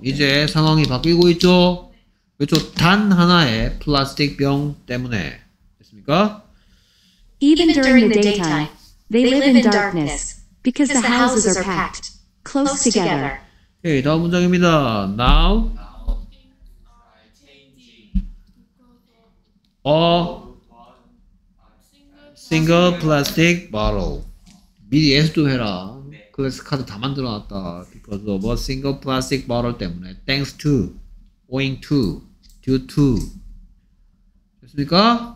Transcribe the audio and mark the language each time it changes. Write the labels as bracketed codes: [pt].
[ko] 이제 상황이 바뀌고 있죠. 그렇죠. 단 하나의 플라스틱 병 때문에. 됐습니까? [en] Even during the daytime, they live in darkness because the houses are packed close together. [ko] 오케이, 다음 문장입니다. [en] Now a single plastic bottle. [ko] 미리 S도 해라. 그 S카드 다 만들어 놨다. [en] Because of a single plastic bottle [ko] 때문에. [en] Thanks to, owing to. Due to. [ko] 됐습니까?